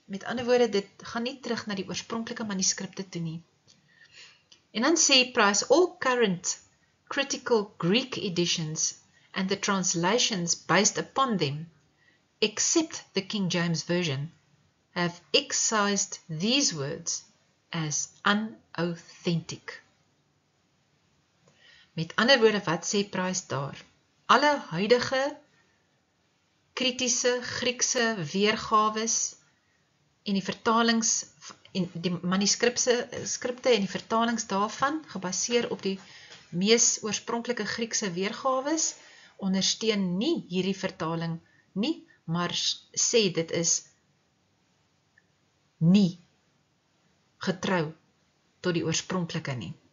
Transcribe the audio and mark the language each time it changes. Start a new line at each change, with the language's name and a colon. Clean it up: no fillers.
Afrikaans: Met ander woorde, dit gaan nie terug na die oorspronklike manuskripte toe nie. En dan sê Price,
English: all current critical Greek editions and the translations based upon them, except the King James Version, have excised these words as unauthentic.
Afrikaans: Met ander woorde, wat sê Price daar? Alle huidige, kritiese, Griekse weergawes en die vertalings, en die manuskripte en die vertalings daarvan, gebaseer op die mees oorspronklike Griekse weergawes, ondersteun nie hierdie vertaling nie, maar sê dit is nie getrou tot die oorspronklike nie.